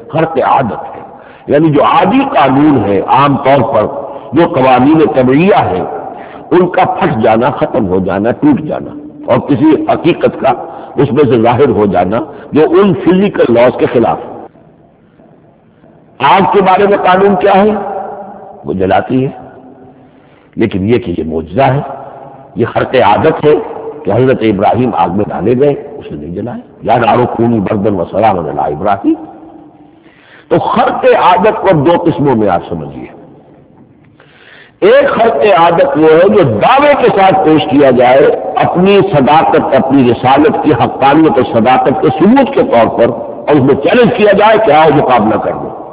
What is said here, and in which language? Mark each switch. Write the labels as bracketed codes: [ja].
[ur] خرق عادت ہے, یعنی جو عادی قانون ہے عام طور پر, جو قوانین طبعیہ ہے, ان کا پھٹ جانا, ختم ہو جانا, ٹوٹ جانا, اور کسی حقیقت کا اس میں سے ظاہر ہو جانا جو ان فزیکل لاز کے خلاف. آگ کے بارے میں قانون کیا ہے؟ وہ جلاتی ہے, لیکن یہ کہ یہ معجزہ ہے, یہ خرق عادت ہے کہ حضرت ابراہیم آگ میں ڈالے گئے, اسے نہیں جلایا. [ar] یا نارو کونی بردن و سلام علی ابراہیم. [ur] تو خرق عادت کو دو قسموں میں آپ سمجھیے. ایک خرق عادت وہ ہے جو دعوے کے ساتھ پیش کیا جائے, اپنی صداقت, اپنی رسالت کی حقانیت اور صداقت کے ثبوت کے طور پر, اور اس میں چیلنج کیا جائے کہ آؤ مقابلہ کر دو.